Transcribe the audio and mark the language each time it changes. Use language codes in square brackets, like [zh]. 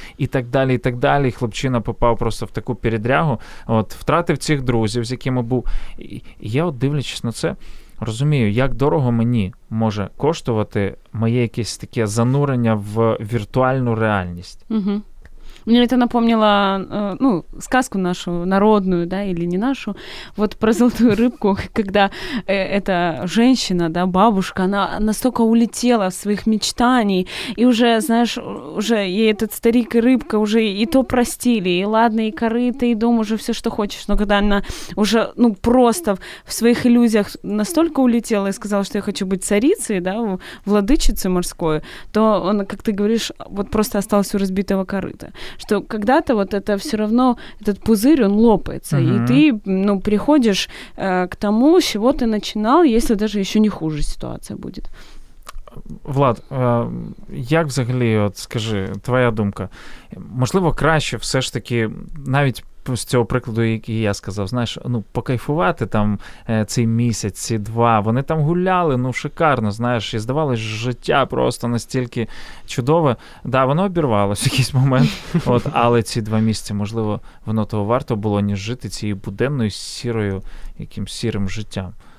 [uk] І так далі, і так далі. Хлопчина попав просто в таку передрягу. От втратив цих друзів, з якими був. І я от дивлячись на це, розумію, як дорого мені може коштувати моє якесь таке занурення в віртуальну реальність. Угу. Мені це [ru] напомнило сказку нашу народну, да, или не нашу, вот про золотую рыбку, когда эта женщина, да, бабушка, она настолько улетела в своих мечтаниях, и уже, знаешь, уже ей этот старик и рыбка уже и то простили, и ладно, и корыто, и дом, уже все, что хочешь. Но когда она уже, ну, просто в своих иллюзиях настолько улетела и сказала, что я хочу быть царицей, да, владычицей морской, то он, как ты говоришь, вот просто остался у разбитого корыта. Что когда-то вот это все равно, этот пузырь, он лопается, uh-huh. и ты, ну, приходишь к тому, с чего ты начинал, если даже еще не хуже ситуация будет. [uk] Влад, як взагалі, от скажи, твоя думка, можливо, краще все ж таки, навіть з цього прикладу, який я сказав, знаєш, ну, покайфувати там цей місяць, ці два, вони там гуляли, ну, шикарно, знаєш, і здавалось, життя просто настільки чудове, да, воно обірвалося в якийсь момент, от, але ці два місяці, можливо, воно того варто було, ніж жити цією буденною сірою, якимсь сірим життям.